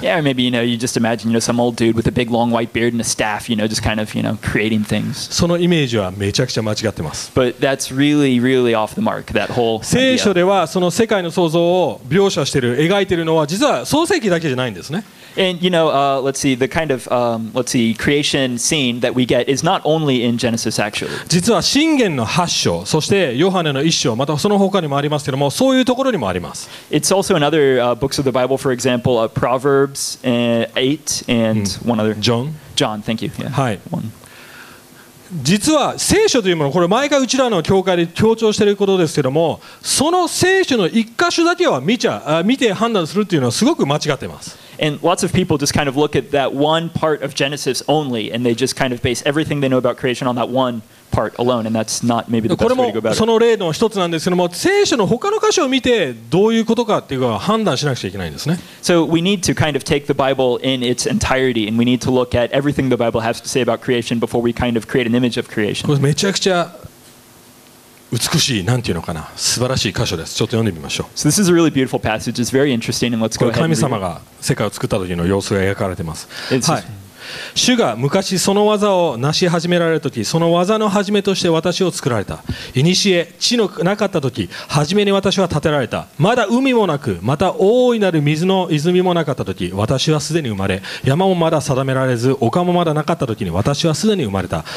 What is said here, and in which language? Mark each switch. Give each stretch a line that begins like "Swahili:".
English: Yeah, or maybe, you know, you just imagine, you know, some old dude with a big long white beard and a staff, you know, just kind of, you know, creating things.
Japanese: そのイメージはめちゃくちゃ間違ってます。
English: But that's really, really off the mark, that whole idea.
Japanese: 聖書ではその世界の創造を描写している、描いているのは実は創世記だけじゃないんですね。
English: And you know, let's see, the kind of let's see creation scene that we get is not only in Genesis actually.
Japanese: 実は箴言の8章、そしてヨハネの1章、またその他にもありますけども、そういうところにもあります。
English: It's also in other books of the Bible, for example, Proverbs 8 and one other. John. John, thank you. Yeah. はい。One.
Japanese: 実は聖書というもの、これ毎回うちらの教会で強調していることですけども、その聖書の一箇所だけは見て判断するというのはすごく間違ってます。
English: And lots of people just kind of look at that one part of Genesis only, and they just kind of base everything they know about creation on that one part alone, and that's not maybe the best way to go about it.
Japanese: その例の一つなんですけども、聖書の他の箇所を見てどういうことかっていうのは判断しなくちゃいけないんですね。
English: So we need to kind of take the Bible in its entirety, and we need to look at everything the Bible has to say about creation before we kind of create an image of creation.
Japanese: これめちゃくちゃ美しい、なんていうのかな、素晴らしい箇所です。ちょっと読んでみましょう。
English: So this is a really beautiful passage. It's very interesting, and let's go ahead.
Japanese: これ神様が世界を作った時の様子が描かれています。はい。主が昔その技を成し始められるとき、その技の始めとして私を作られた。いにしえ、地のなかったとき、初めに私は建てられた。まだ海もなく、また大いなる水の泉もなかったとき、私はすでに生まれ、山もまだ定められず、丘もまだなかったときに、私はすでに生まれた。